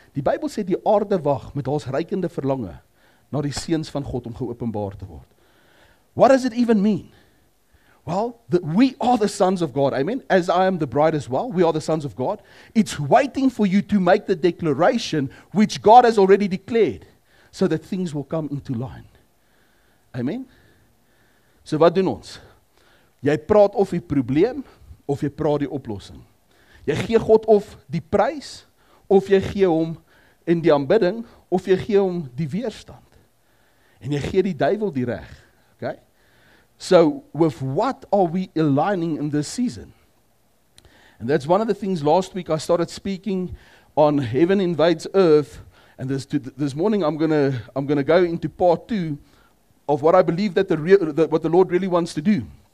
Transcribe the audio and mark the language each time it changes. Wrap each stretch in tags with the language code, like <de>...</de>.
<af>Die Bybel sê, die aarde wag met ons reikende verlange na die seuns van God om geopenbaar te word.</af> <en>What does it even mean? Well, we are the sons of God, amen? As I am the bride as well, we are the sons of God. It's waiting for you to make the declaration which God has already declared so that things will come into line.</en> <af>Amen? So wat doen ons? Jy praat of die probleem, of jy praat die oplossing. Jy gee God of die prys, of jy gee hom in die aanbidding, of jy gee hom die weerstand. En jy gee die duivel die reg, okay?</af> <en>So, with what are we aligning in this season? And that's one of the things last week I started speaking on heaven invades earth. And this morning I'm gonna go into part two of what I believe that what the Lord really wants to do.</en>